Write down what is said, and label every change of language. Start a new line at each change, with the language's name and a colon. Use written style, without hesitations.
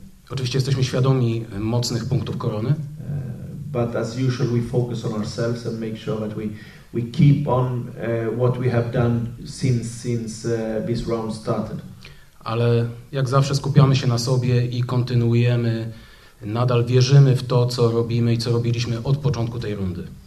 Polish: Oczywiście jesteśmy świadomi mocnych punktów Korony.
English: But as usual we focus on ourselves and make sure that we keep on what we have done since this round started.
Polish: Ale jak zawsze skupiamy się na sobie i kontynuujemy, nadal wierzymy w to, co robimy i co robiliśmy od początku tej rundy.